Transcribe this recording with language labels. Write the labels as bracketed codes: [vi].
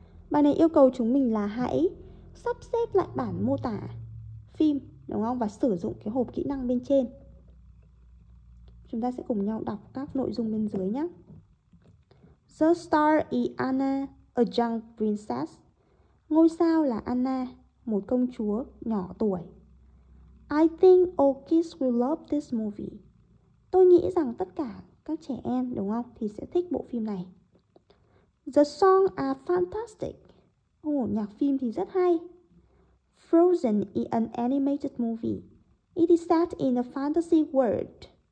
[vi] Bài này yêu cầu chúng mình là hãy sắp xếp lại bản mô tả phim, đúng không? Và sử dụng cái hộp kỹ năng bên trên. Chúng ta sẽ cùng nhau đọc các nội dung bên dưới nhé. [en] The star is Anna, a young princess. [vi] Ngôi sao là Anna, một công chúa nhỏ tuổi. [en] I think all kids will love this movie. [vi] Tôi nghĩ rằng tất cả các trẻ em, đúng không, thì sẽ thích bộ phim này. [en] The song are fantastic. [vi] Nhạc phim thì rất hay. [en] Frozen is an animated movie. It is set in a fantasy world.